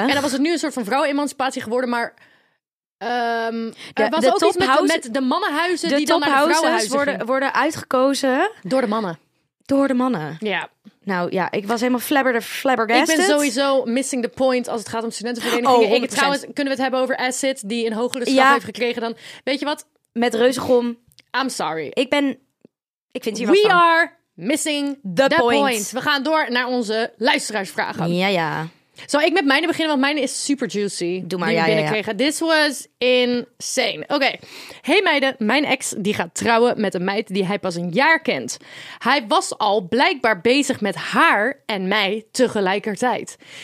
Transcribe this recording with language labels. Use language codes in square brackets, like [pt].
[nl] En dan was het nu een soort van vrouwenemancipatie geworden, maar... Er was ook iets met de mannenhuizen die dan naar de vrouwenhuizen worden uitgekozen. Door de mannen. Door de mannen. Ja. Nou ja, ik was helemaal flabbergasted. Ik ben sowieso [en] missing the point [nl] als het gaat om studentenverenigingen. Oh, ik, trouwens, kunnen we het hebben over Acid, die een hogere straf heeft gekregen dan... Weet je wat? Met reuzegom. [en] I'm sorry. [nl] Ik vind hier we wat van. [en] We are missing the point. [nl] We gaan door naar onze luisteraarsvragen. Ja, ja. Zal ik met mijne beginnen? Want mijne is super juicy. Doe maar, ja, ja, ja. [en] This was insane. [nl] Oké. Hey meiden, mijn ex die gaat trouwen met een meid die hij pas een jaar kent. Hij was al blijkbaar bezig met haar en mij tegelijkertijd.